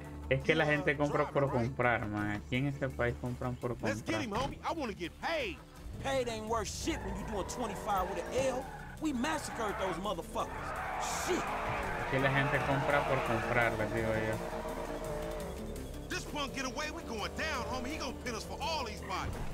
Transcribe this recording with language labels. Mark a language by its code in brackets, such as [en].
[es] Es que la gente compra por comprar, man. Aquí en este país compran por comprar. [en] Let's get him, homie. I want to get paid. Paid ain't worth shit when you doing 25 with an L. We massacred those motherfuckers. Shit. [es] Es que la gente compra por comprar, les digo yo. [en] This punk get away, we going down, homie. He gonna pin us for all these bodies.